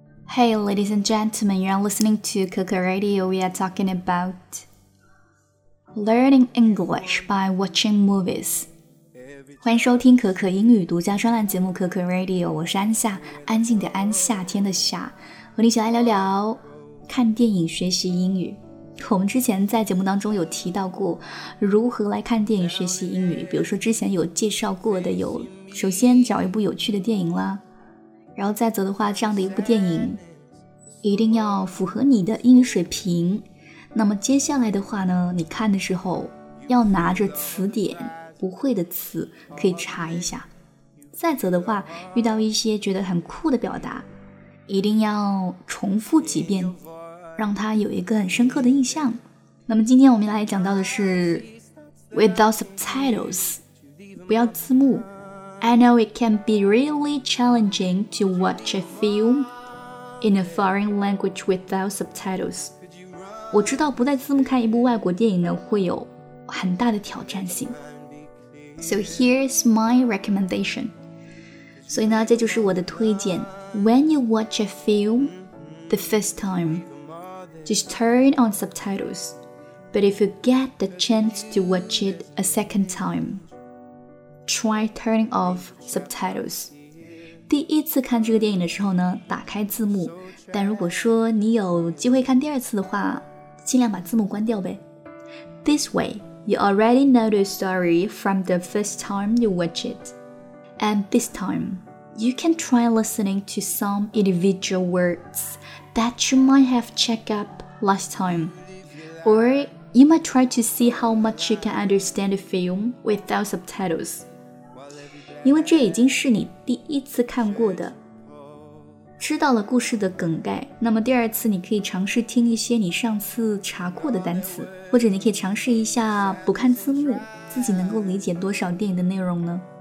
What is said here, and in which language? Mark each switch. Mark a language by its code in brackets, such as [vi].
[en] Hey, ladies and gentlemen, you're listening to Coco Radio. We are talking about learning English by watching movies. [zh] 欢迎收听可可英语独家专栏节目《可可 Radio》，我是安夏，安静的安，夏天的夏，和你一起来聊聊看电影学习英语。我们之前在节目当中有提到过如何来看电影学习英语，比如说之前有介绍过的，有首先找一部有趣的电影啦。然后再则的话，这样的一部电影一定要符合你的英语水平。那么接下来的话呢，你看的时候要拿着词典，不会的词可以查一下。再则的话，遇到一些觉得很酷的表达，一定要重复几遍，让它有一个很深刻的印象。那么今天我们来讲到的是 [en] Without subtitles， [zh] 不要字幕。 [en] I know it can be really challenging to watch a film in a foreign language without subtitles. [zh] 我知道不带字幕看一部外国电影呢会有很大的挑战性。 [en] So here's my recommendation. [zh] 所以呢这就是我的推荐。 [en] When you watch a film the first time, just turn on subtitles. But if you get the chance to watch it a second time,Try turning off subtitles. [zh] 第一次看这个电影的时候呢，打开字幕。但如果说你有机会看第二次的话，尽量把字幕关掉呗。 [en] This way, you already know the story from the first time you watch it. And this time, you can try listening to some individual words that you might have checked up last time. Or you might try to see how much you can understand the film without subtitles. [zh] 因为这已经是你第一次看过的，知道了故事的梗概，那么第二次你可以尝试听一些你上次查过的单词，或者你可以尝试一下不看字幕，自己能够理解多少电影的内容呢？